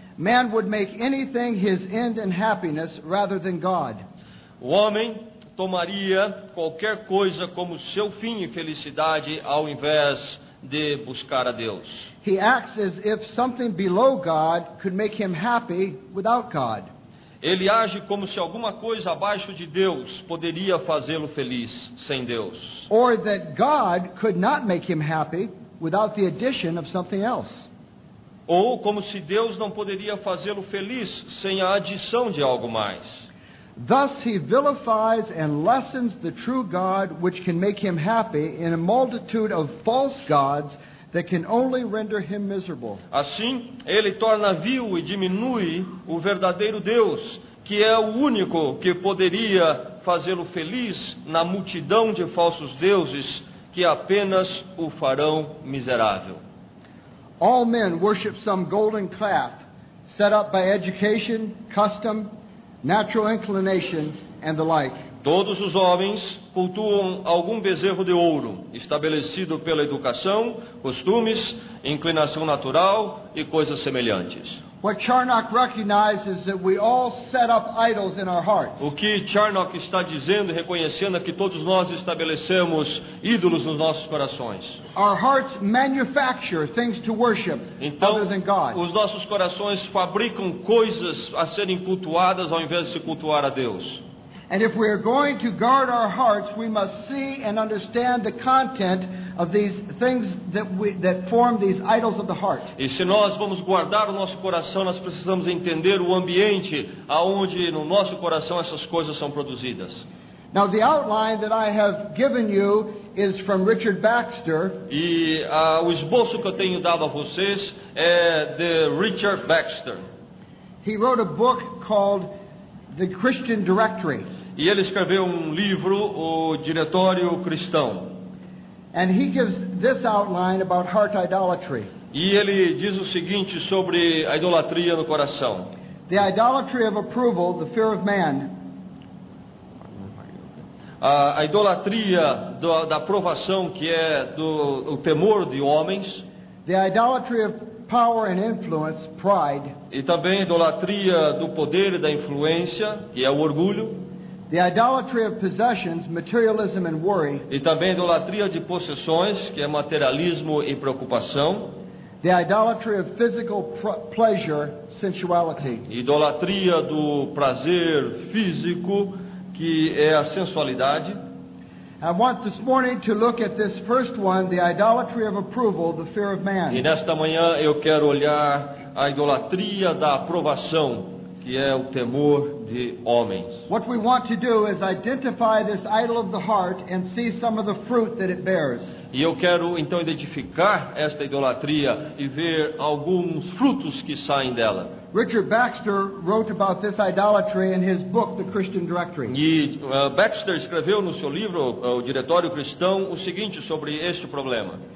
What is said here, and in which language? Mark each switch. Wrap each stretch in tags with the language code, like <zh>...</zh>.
<en>Man would make anything his end and happiness rather than God.</en> <pt>O homem tomaria qualquer coisa como seu fim e felicidade ao invés de buscar a Deus.</pt> <en>He acts as if something below God could make him happy without God.</en> <pt>Ele age como se alguma coisa abaixo de Deus poderia fazê-lo feliz sem Deus.</pt> <en>Or that God could not make him happy without the addition of something else.</en> <pt>Ou como se Deus não poderia fazê-lo feliz sem a adição de algo mais.</pt> <en>Thus he vilifies and lessens the true God which can make him happy in a multitude of false gods that can only render him miserable.</en> <pt>Assim, ele torna vil e diminui o verdadeiro Deus, que é o único que poderia fazê-lo feliz na multidão de falsos deuses que apenas o farão miserável.</pt> <en>All men worship some golden calf set up by education, custom, natural inclination and the like.</en> <pt>Todos os homens cultuam algum bezerro de ouro, estabelecido pela educação, costumes, inclinação natural e coisas semelhantes.</pt> <en>What Charnock recognizes is that we all set up idols in our hearts.</en> <pt>O que Charnock está dizendo e reconhecendo é que todos nós estabelecemos ídolos nos nossos corações.</pt> <en>Our hearts manufacture things to worship</en> <pt>então,</pt> <en>other than God.</en> <pt>Os nossos corações fabricam coisas a serem cultuadas ao invés de se cultuar a Deus.</pt> <en>And if we are going to guard our hearts, we must see and understand the content of these things that form these idols of the heart.</en> <pt>E se nós vamos guardar o nosso coração, nós precisamos entender o ambiente aonde no nosso coração essas coisas são produzidas.</pt> <en>Now the outline that I have given you is from Richard Baxter.</en> <pt>E o esboço que eu tenho dado a vocês é de Richard Baxter.</pt> <en>He wrote a book called The Christian Directory.</en> <pt>E ele escreveu livro, O Diretório Cristão.</pt> <en>And he gives this outline about heart idolatry.</en> <pt>E ele diz o seguinte sobre a idolatria no coração.</pt> <en>The idolatry of approval, the fear of man.</en> <pt>A idolatria da aprovação, que é o temor de homens.</pt> <en>The idolatry of power and influence, pride.</en> <pt>E também a idolatria do poder e da influência, que é o orgulho.</pt> <en>The idolatry of possessions, materialism and worry.</en> <pt>E também a idolatria de possessões, que é materialismo e preocupação.</pt> <en>The idolatry of physical pleasure, sensuality.</en> <pt>Idolatria do prazer físico, que é a sensualidade.</pt> <en>I want this morning to look at this first one, the idolatry of approval, the fear of man.</en> <pt>E nesta manhã eu quero olhar a idolatria da aprovação, que é o temor de homens.</pt> <en>What we want to do is identify this idol of the heart and see some of the fruit that it bears.</en> <pt>E eu quero então identificar esta idolatria e ver alguns frutos que saem dela.</pt> <en>Richard Baxter wrote about this idolatry in his book, The Christian Directory.</en> <pt>E Baxter escreveu no seu livro, O Diretório Cristão, o seguinte sobre este problema.</pt>